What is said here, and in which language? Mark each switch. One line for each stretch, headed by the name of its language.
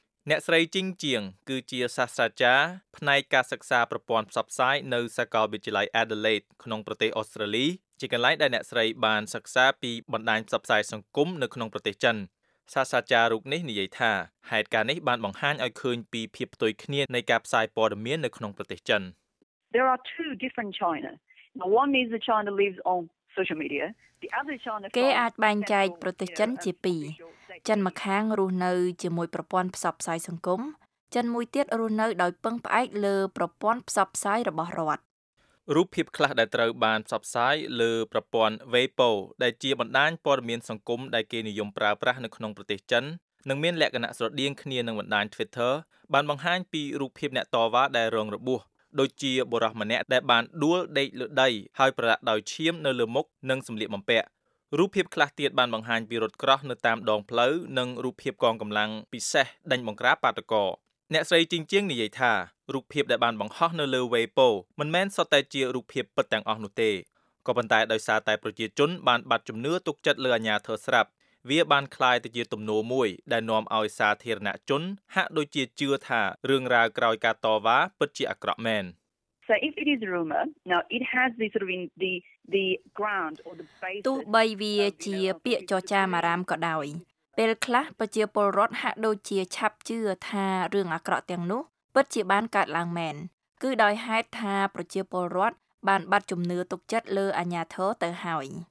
Khmer: អ្នកស្រីជីងជៀងគឺជាសាស្ត្រាចារ្យផ្នែកការសិក្សាប្រព័ន្ធផ្សព្វផ្សាយនៅសាកលវិទ្យាល័យ Adelaide ក្នុងប្រទេសអូស្ត្រាលីជាកន្លែងដែលអ្នកស្រីបានសិក្សាពីបណ្ដាញផ្សព្វផ្សាយសង្គមនៅក្នុងប្រទេសចិនសាស្ត្រាចារ្យរូបនេះនិយាយថាហេតុការណ៍នេះបានបង្ហាញឲ្យឃើញពីភាពផ្ទុយគ្នានៃការផ្សាយព័ត៌មាននៅក្នុងប្រទេសចិន
English: There are two different China. Now one is the China lives on social media. The other China
Khmer: គេអាចបែងចែកប្រទេសចិនជាពីរចិនម្ខាងរស់នៅជាមួយប្រព័ន្ធផ្សព្វផ្សាយសង្គមចិនមួយទៀតរស់នៅដោយពឹងផ្អែកលើប្រព័ន្ធផ្សព្វផ្សាយរបស់រដ្ឋ រូបភាពខ្លះដែលត្រូវបានផ្សព្វផ្សាយលើប្រព័ន្ធ Weibo ដែលជាបណ្ដាញព័ត៌មានសង្គមដែលគេនិយមប្រើប្រាស់នៅក្នុងប្រទេសចិននិងមានលក្ខណៈស្រដៀងគ្នានឹងបណ្ដាញ Twitter បានបង្ហាញពីរូបភាពអ្នកតវ៉ាដែលរងរបួសដូចជាបុរសម្នាក់ដែលបានដួលដេកលើដីហើយប្រឡាក់ដោយឈាមនៅលើមុខនិងសម្លៀកបំពាក់ រូបភាពខ្លះទៀតបានបង្ហាញពីរថក្រោះនៅតាមដងផ្លូវនិងរូបភាពកងកម្លាំងពិសេសដេញបង្ក្រាបបាតុករអ្នកស្រីជីងជាងនិយាយថារូបភាពដែលបានបង្ហោះនៅលើ Weibo មិនមែនសុទ្ធតែជារូបភាពពិតទាំងអស់នោះទេក៏ប៉ុន្តែដោយសារតែប្រជាជនបានបាត់ជំនឿទុកចិត្តលើអាជ្ញាធរស្រាប់វាបានក្លាយទៅជាទំនោរមួយដែលនាំឲ្យសាធារណជនហាក់ដូចជាជឿថារឿងរ៉ាវក្រោយការតវ៉ាពិតជាអាក្រក់មែន
English: So if it is a rumor, now it has this sort of in the ground or the basis.
Khmer: ទោះបីវាជាពាក្យចចាមអារាមក៏ដោយពេលខ្លះប្រជាពលរដ្ឋហាក់ដូចជាឆាប់ជឿថារឿងអាក្រក់ទាំងនោះពិតជាបានកើតឡើងមែនគឺដោយហេតុថាប្រជាពលរដ្ឋបានបាត់ជំនឿទុកចិត្តលើអាញាធរទៅហើយ